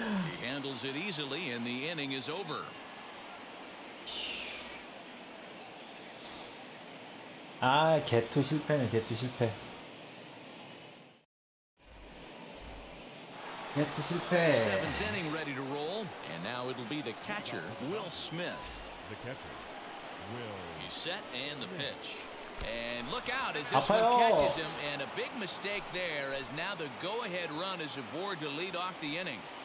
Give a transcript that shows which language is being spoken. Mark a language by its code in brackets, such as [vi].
[en] He handles it easily, and the inning is over. [ko] 아, 개투 실패네, 개투 실패. 개투 실패. [en] Seventh inning ready to roll, and now it'll be the catcher, Will Smith. The catcher, Will. He's set, and the pitch. And look out as this one catches him, and a big mistake there as now the go-ahead run is aboard to lead off the inning.